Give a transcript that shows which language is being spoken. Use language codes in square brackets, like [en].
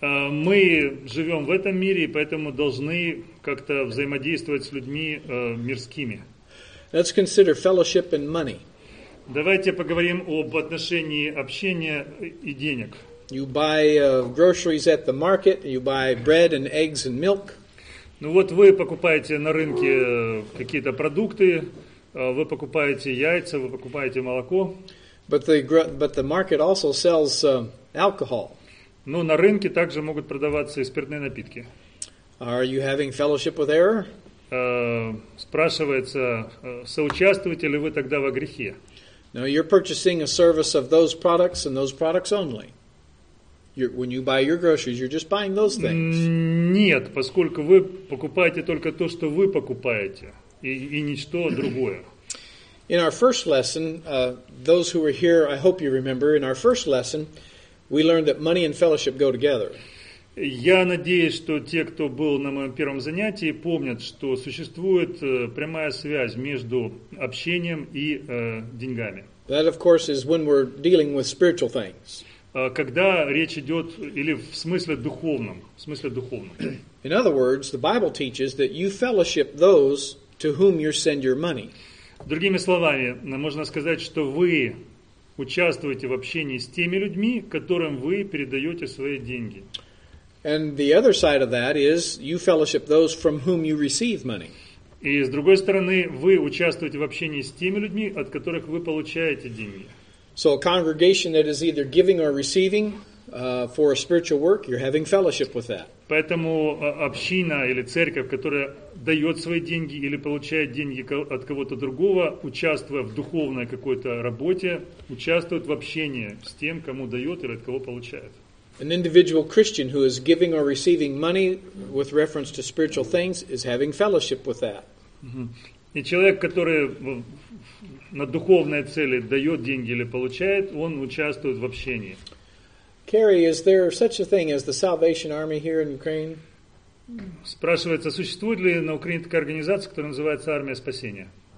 [ru] Мы живем в этом мире, и поэтому должны как-то взаимодействовать с людьми мирскими. [en] Let's consider fellowship and money. [ru] Давайте поговорим об отношении общения и денег. [en] You buy groceries at the market, you buy bread and eggs and milk. [ru] Ну вот вы покупаете на рынке какие-то продукты, вы покупаете яйца, вы покупаете молоко. [en] But the market also sells alcohol. [ru] Ну, на рынке также могут продаваться и спиртные напитки. [en] Are you having fellowship with error? [ru] спрашивается, соучаствуете ли вы тогда во грехе? [en] No, you're purchasing a service of those products and those products only. When you buy your groceries, you're just buying those things. [ru] Нет, поскольку вы покупаете только то, что вы покупаете, и ничто другое. [en] In our first lesson, those who were here, I hope you remember, in our first lesson, we learned that money and fellowship go together. [ru] Я надеюсь, что те, кто был на моем первом занятии, помнят, что существует прямая связь между общением и деньгами. [en] That, of course, is when we're dealing with spiritual things. [ru] Когда речь идет, или в смысле духовном, в смысле духовном. [en] In other words, the Bible teaches that you fellowship those to whom you send your money. [ru] Другими словами, можно сказать, что вы участвуете в общении с теми людьми, которым вы передаете свои деньги. [en] And the other side of that is you fellowship those from whom you receive money. [ru] И с другой стороны, вы участвуете в общении с теми людьми, от которых вы получаете деньги. [en] So a congregation that is either giving or receiving for a spiritual work, you're having fellowship with that. [ru] Поэтому община или церковь, которая дает свои деньги или получает деньги от кого-то другого, участвуя в духовной какой-то работе, участвует в общении с тем, кому дает или от кого получает. [en] An individual Christian who is giving or receiving money with reference to spiritual things is having fellowship with that. [ru] И человек, который на духовные цели дает деньги или получает, он участвует в общении. [en] Carrie, is there such a thing as the Salvation Army here in Ukraine? [ru] Спрашивается, существует ли на Украине такая организация, которая называется Армия Спасения?